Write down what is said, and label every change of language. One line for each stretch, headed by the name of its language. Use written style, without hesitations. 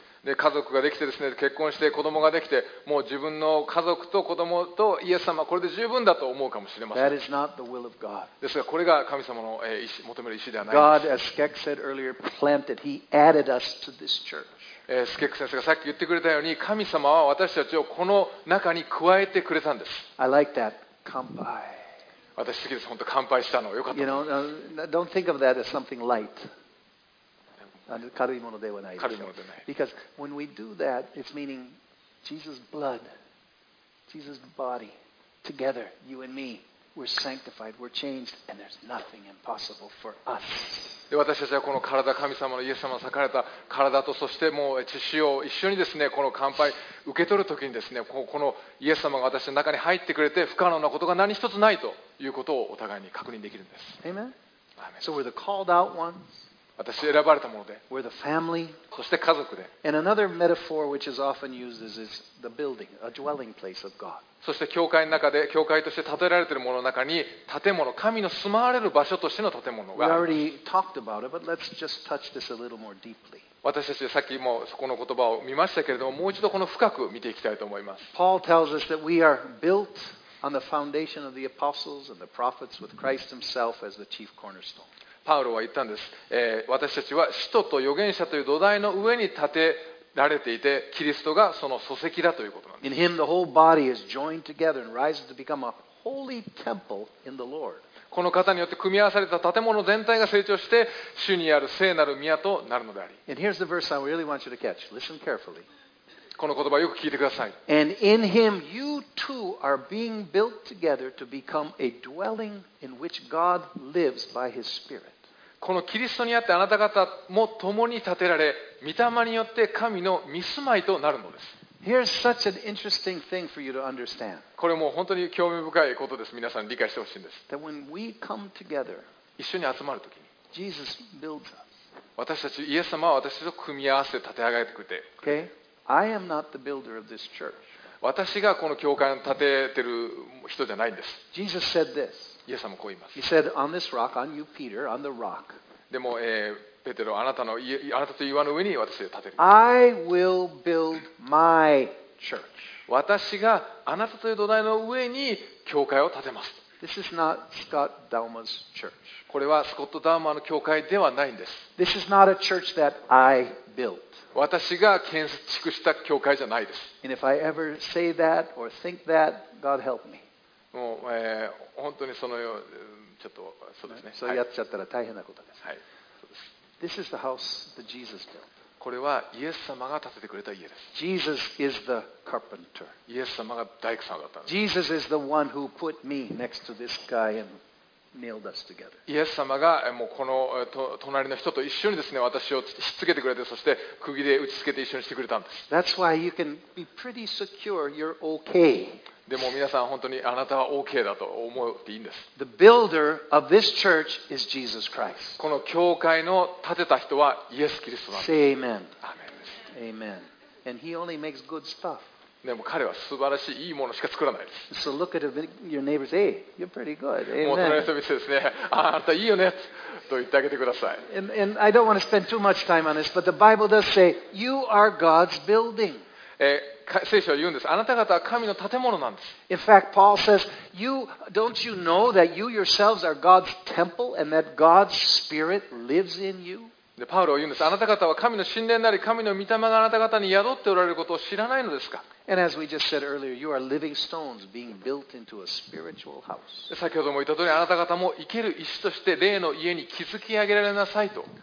Japanese: で家族ができてですね、結婚して子供ができて、もう自分の家族と子供とイエス様、これで十分だと思うかもしれません。
English: That is not the will of God.
Japanese: ですが、これが神様の意思、求める意思ではないです。
English: God, as Skek said earlier, planted. He added us to this church.
Japanese: スケック先生がさっき言ってくれたように、神様は私たちをこの中に加えてくれたんです。
English: I like that. 乾杯。
Japanese: 私好きです。本当乾杯したの。よかった。
English: You know, don't think of that as something light.
Japanese: 軽いものではないです。
English: Because when we do that, it's meaning Jesus' blood, Jesus' body, together, you and me, we're sanctified, we're changed, and there's nothing impossible for us.
Japanese: で私たちはこの体、神様のイエス様の裂かれた体と、そしてもう血潮を一緒にですね、この乾杯受け取るときにですね、このイエス様が私の中に入ってくれて、不可能なことが何一つないということをお互いに確認できるんです。
English: Amen? Amen. So we're the called out ones.
Japanese: 私選ばれたもので、
English: We're the family.
Japanese: そして家族で、
English: And another metaphor which is often used is the building, a dwelling place of God.
Japanese: そして教会の中で、教会として建てられているものの中に、建物、神の住まわれる場所としての建物が。
English: We already talked about it, but let's just touch this a little more deeply.
Japanese: 私たちはさっきもそこの言葉を見ましたけれども、もう一度この深く見ていきたいと思います。
English: Paul tells us that we are built on the foundation of the apostles and the prophets with Christ himself as the chief cornerstone.
Japanese: パウロは言ったんです、私たちは使徒と預言者という土台の上に立てられていて、キリストがその礎石だということなんです。
English: In him the whole body is joined together and rises to become a holy temple in the Lord.
Japanese: この方によって組み合わされた建物全体が成長して、主にある聖なる宮となるのであり。
English: And here's the verse I really want you to catch. Listen carefully.
Japanese: この言葉をよく聞いてください。
English: And in him you too are being built together to become a dwelling in which God lives by his Spirit.
Japanese: このキリストにあってあなた方も共に建てられ、御霊によって神の御住まいとなるのです。
English: Here's such an interesting thing for you to understand.
Japanese: これも本当に興味深いことです。皆さん理解してほしいんです。
English: That when we come together,
Japanese: 一緒に集まるときに、
English: Jesus builds us.
Japanese: 私たち、イエス様は私たちと組み合わせて建て上げてくれて、
English: okay? I am not the builder of this church.
Japanese: 私がこの教会を建ててる人じゃないんです。
English: Jesus said this.
Japanese: イエス様こう言います。
English: He said, "On this rock, on you, Peter, on the rock."
Japanese: でも、ペテロ、あなたという岩の上に私を建てる。
English: I will build my church.
Japanese: 私があなたという土台の上に教会を建てます。
English: This is not Scott Dalma's church.
Japanese: これはスコット・ダーマーの教会ではないんです。
English: This is not a church that I built.
Japanese: 私が建築した教会じゃないです。
English: And if I ever say that or think that, God help me.
Japanese: もう、本当にそのようちょっとそうですね。そうやっちゃったら大変なことです。はい。
English: This is the house that Jesus built.
Japanese: これはイエス様が建ててくれた家です。
English: Jesus is the carpenter.
Japanese: イエス様が大工さんだったんです。
English: Jesus is the one who put me next to this guy and nailed us together.
Japanese: イエス様がもうこの隣の人と一緒にですね、私をしつけてくれて、そして釘で打ちつけて一緒にしてくれたんです。
English: That's why you can be pretty secure you're okay.
Japanese: でも皆さん本当にあなたは OK だと思っていいんです。
English: The builder of this church is Jesus Christ.
Japanese: この教会の建てた人はイエス・キリストなんです。
English: Say amen. Amen. Amen. And he only makes good stuff.
Japanese: でも彼は素晴らしいいいものしか作らないです。
English: So look at your neighbors. Hey, you're pretty good. Amen.
Japanese: もう隣の人見てですね、あなたいいよねと言ってあげてください。
English: And I don't want to spend too much time on this, but the Bible does say you are God's building.
Japanese: 聖書は言うんです。あなた方は神の建物なんです。
English: In fact, Paul says, "You don't you know that you yourselves are God's temple and that God's Spirit lives in you?"
Japanese: でパウロは言うんです。あなた方は神の神殿なり神の御霊があなた方に宿っておられることを知らないのですか。
English: And as we just said earlier, you are living stones being built into a spiritual house.
Japanese: 先ほども言った通り、あなた方も生ける石として霊の家に築き上げられなさいと。